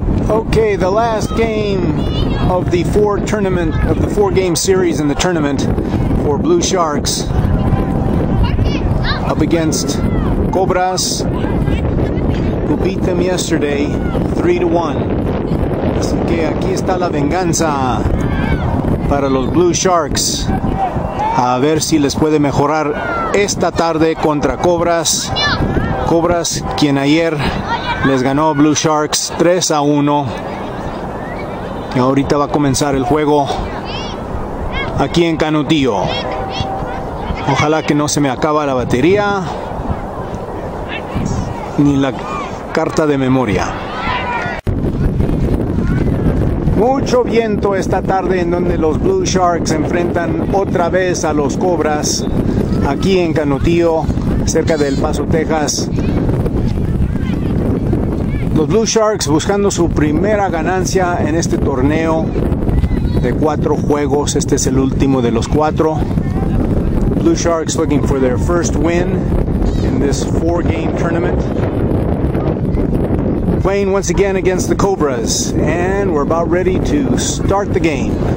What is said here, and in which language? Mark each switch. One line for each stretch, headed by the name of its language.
English: Okay, the last game of the four game series in the tournament for Blue Sharks up against Cobras, who beat them yesterday 3-1.
Spanish: Así que aquí está la venganza para los Blue Sharks. A ver si les puede mejorar esta tarde contra Cobras. Cobras, quien ayer les ganó Blue Sharks 3-1. Y ahorita va a comenzar el juego aquí en Canutillo. Ojalá que no se me acaba la batería ni la carta de memoria. Mucho viento esta tarde en donde los Blue Sharks enfrentan otra vez a los Cobras aquí en Canutillo, cerca del Paso, Texas. Los Blue Sharks buscando su primera ganancia en este torneo de 4 juegos. Este es el último de los 4.
English: Blue Sharks looking for their first win in this 4-game tournament. Playing once again against the Cobras, and we're about ready to start the game.